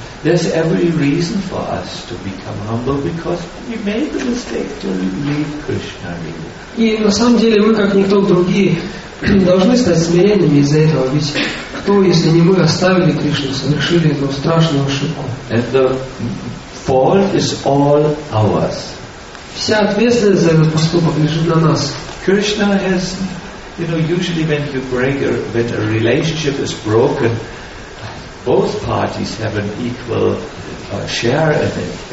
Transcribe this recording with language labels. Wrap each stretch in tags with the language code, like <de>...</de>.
<en>There's every reason for us to become humble because we made the mistake to leave Krishna.</en> <ru>И на самом деле мы, как никто другие, должны стать смиренными из-за этого. Ведь кто, если не мы, оставили Кришну, совершили эту страшную ошибку?</ru> <en>And the fault is all ours.</en> <ru>Вся ответственность за этот поступок лежит на нас.</ru> <en>Krishna has, you know, usually when you break a, when a relationship is broken, both parties have an equal share in it.</en>